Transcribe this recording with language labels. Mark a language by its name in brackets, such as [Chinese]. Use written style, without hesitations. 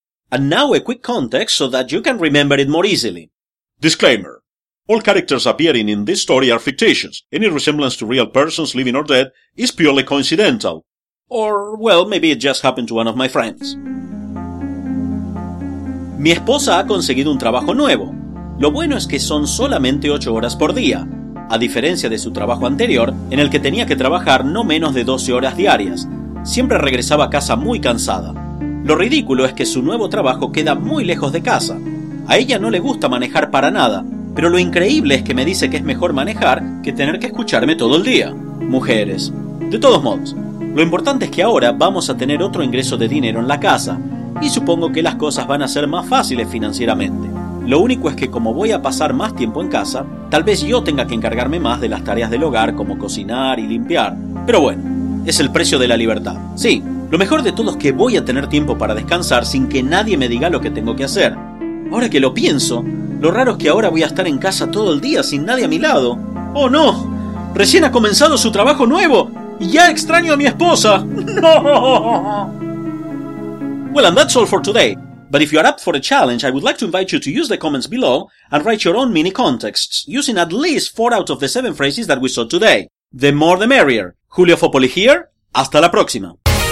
[English] And now a quick context so that you can remember it more easily. Disclaimer. All characters appearing in this story are fictitious. Any resemblance to real persons, living or dead, is purely coincidental. Or, well, maybe it just happened to one of my friends. [Spanish] Mi esposa ha conseguido un trabajo nuevo. Lo bueno es que son solamente 8 horas por día, a diferencia de su trabajo anterior, en el que tenía que trabajar no menos de 12 horas diarias. Siempre regresaba a casa muy cansada. Lo ridículo es que su nuevo trabajo queda muy lejos de casa. A ella no le gusta manejar para nada. Pero lo increíble es que me dice que es mejor manejar que tener que escucharme todo el día. Mujeres. De todos modos, lo importante es que ahora vamos a tener otro ingreso de dinero en la casa, y supongo que las cosas van a ser más fáciles financieramente. Lo único es que como voy a pasar más tiempo en casa, tal vez yo tenga que encargarme más de las tareas del hogar como cocinar y limpiar. Pero bueno, es el precio de la libertad. Sí, lo mejor de todo es que voy a tener tiempo para descansar sin que nadie me diga lo que tengo que hacer. Ahora que lo pienso, lo raro es que ahora voy a estar en casa todo el día sin nadie a mi lado. ¡Oh, no! ¡Recién ha comenzado su trabajo nuevo! ¡Y ya extraño a mi esposa! ¡No! [English] Well, and that's all for today. But if you are up for a challenge, I would like to invite you to use the comments below and write your own mini contexts, using at least 4 out of the 7 phrases that we saw today. The more the merrier. Julio Fopoli here. [Spanish] Hasta la próxima.